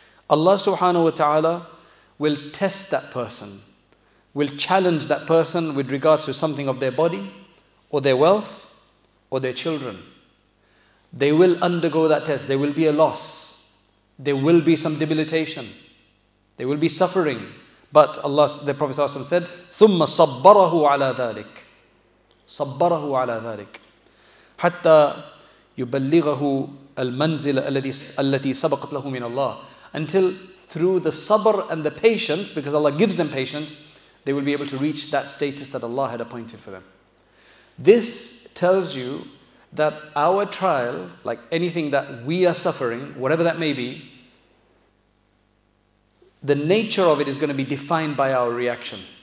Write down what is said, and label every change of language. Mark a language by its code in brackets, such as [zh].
[en] Allah subhanahu wa ta'ala will test that person, will challenge that person with regards to something of their body, or their wealth, or their children. They will undergo that test. There will be a loss. There will be some debilitation. There will be suffering. But Allah, the Prophet ﷺ said, [ar] ثُمَّ صَبَّرَهُ عَلَى ذَلِكَ صَبَّرَهُ عَلَى ذَلِكَ حَتَّى يُبَلِّغَهُ الْمَنْزِلَ الَّذِي سَبَقَتْ لَهُ مِنَ اللَّهِ. [en] Until through the sabr and the patience, because Allah gives them patience, they will be able to reach that status that Allah had appointed for them. This tells you that our trial, like anything that we are suffering, whatever that may be, the nature of it is going to be defined by our reaction.